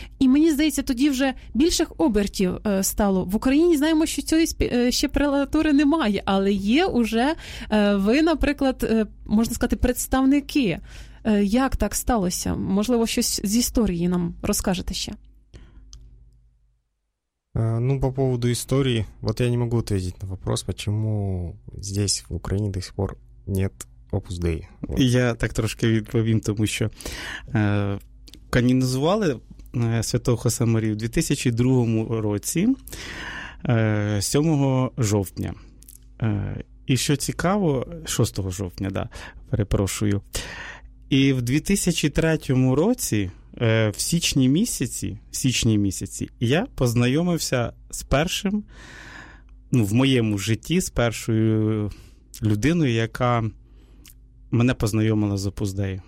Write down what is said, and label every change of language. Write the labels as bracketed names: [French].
[Ukrainian] І мені здається, тоді вже більших обертів стало. В Україні знаємо, що цієї ще прелатури немає, але є уже ви, наприклад, можна сказати, представники. Як так сталося? Можливо, щось з історії нам розкажете ще? [Russian] Ну, по поводу історії, вот я не могу ответить на вопрос, почему здесь, в Україні, до сих пор нет Opus Dei. Вот. [Ukrainian] Я так трошки відповім, тому що канонізували святого Хосе Марію в 2002 році, 7 жовтня. І що цікаво, 6 жовтня, да, перепрошую, і в 2003 році, в січні місяці, я познайомився з першим, ну, в моєму житті, з першою людиною, яка мене познайомила з Opus Dei.